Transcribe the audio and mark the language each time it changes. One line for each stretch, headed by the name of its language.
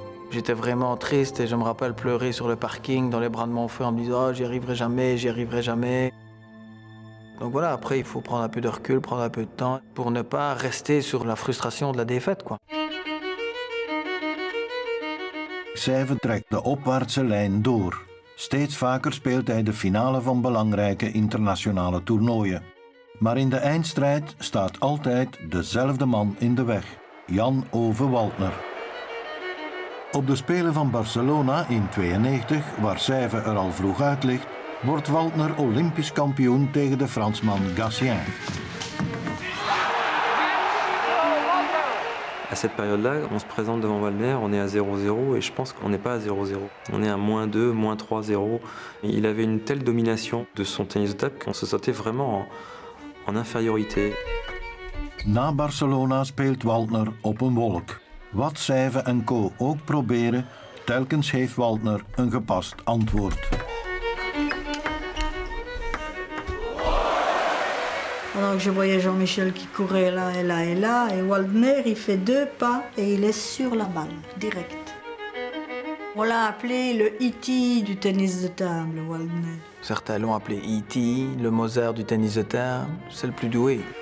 French: J'étais vraiment triste et je me rappelle pleurer sur le parking dans les bras de mon frère en me disant oh, j'y arriverai jamais. Donc voilà, après il faut prendre un peu de recul, prendre un peu de temps pour ne pas rester sur la frustration de la défaite, quoi.
Dutch: Sève trekt de opwaartse lijn door. Steeds vaker speelt hij de finale van belangrijke internationale toernooien. Maar in de eindstrijd staat altijd dezelfde man in de weg, Jan-Ove Waldner. Op de Spelen van Barcelona in 92, waar Sève er al vroeg uit ligt, wordt Waldner Olympisch kampioen tegen de Fransman Gatien.
French: À cette période-là, on se présente devant Waldner, on est à 0-0 et je pense qu'on n'est pas à 0-0. On est à -2, -3-0. Il avait une telle domination de son tennis de table qu'on se sentait vraiment en infériorité.
Dutch: Na Barcelona speelt Waldner op een wolk. Wat Sève en co. ook proberen, telkens heeft Waldner een gepast antwoord.
French: Donc je voyais Jean-Michel qui courait là et là et là, et Waldner il fait deux pas et il est sur la balle, direct. On l'a appelé le E.T. du tennis de table, Waldner. Certains l'ont appelé E.T., le Mozart du tennis de table, c'est le plus doué.